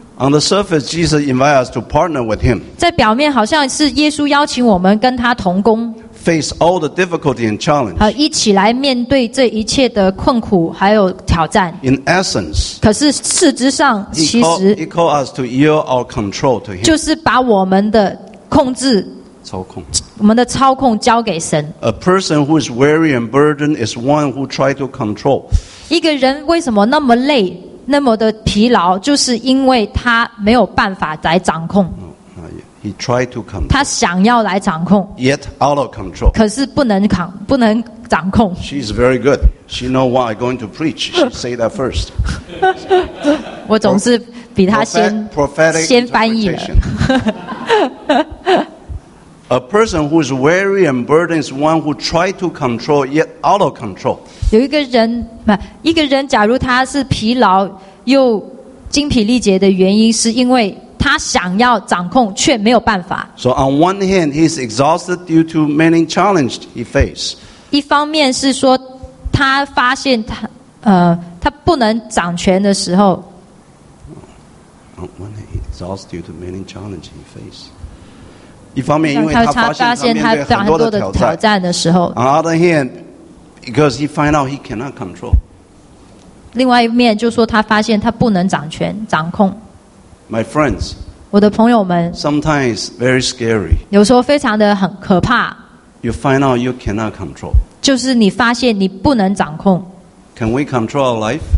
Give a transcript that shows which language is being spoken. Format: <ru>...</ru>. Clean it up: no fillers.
<en>On the surface, Jesus invites us to partner with Him.</en> <zh>在表面好像是耶稣邀请我们跟他同工。</zh> <en>Face all the difficulty and challenge.</en> <zh>好，一起来面对这一切的困苦还有挑战。</zh> <en>In essence,</en> <zh>可是事实上，其实</zh> <en>He calls us to yield our control to Him.</en> <zh>就是把我们的控制、操控、我们的操控交给神。</zh> <en>A person who is weary and burdened is one who tries to control.</en> <zh>一个人为什么那么累、那么的疲劳，就是因为他没有办法来掌控。</zh> <en>He tried to control.</en> <zh>他想要来掌控。</zh> <en>Yet out of control.</en> <zh>可是不能掌控。</zh> <en>She is very good. She know what I'm going to preach. She say that first.</en> <zh>我总是比他先</zh> <en>prophetic</en> <zh>先翻译了。</zh> <en>A person who is weary and burdened is one who try to control yet out of control.</en> <zh>有一个人，一个人假如他是疲劳又精疲力竭的原因是因为他想要掌控，却没有办法。</zh> <en>So on one hand, he's exhausted due to many challenges he faces.</en> <zh>一方面是说，他发现他不能掌权的时候。</zh> <en>On one hand, he's exhausted due to many challenges he faces.</en> <zh>一方面，因为他发现他面对很多的挑战的时候。</zh> <en>On other hand, because he finds out he cannot control.</en> <zh>另外一面就是说，他发现他不能掌权、掌控。</zh> <en>My friends,</en> <zh>我的朋友们</zh> <en>sometimes very scary.</en> <zh>有时候非常的很可怕</zh> <en>You find out you cannot control.</en> <zh>就是你发现你不能掌控</zh> <en>Can we control our life?</en>